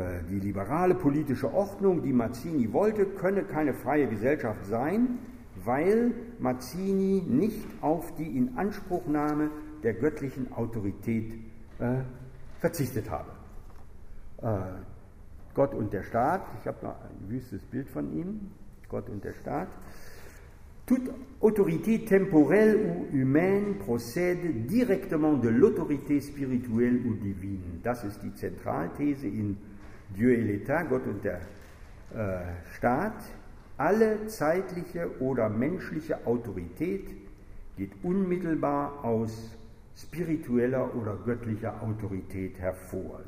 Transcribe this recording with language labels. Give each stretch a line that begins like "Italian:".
German: Die liberale politische Ordnung, die Mazzini wollte, könne keine freie Gesellschaft sein, weil Mazzini nicht auf die Inanspruchnahme der göttlichen Autorität verzichtet habe. Gott und der Staat, ich habe noch ein wüstes Bild von ihm, Gott und der Staat.
French: Toute autorité temporelle ou humaine procède directement de l'autorité spirituelle ou divine.
German: Das ist die Zentralthese in Dieu et l'État, Gott und der Staat. Alle zeitliche oder menschliche Autorität geht unmittelbar aus spiritueller oder göttlicher Autorität hervor.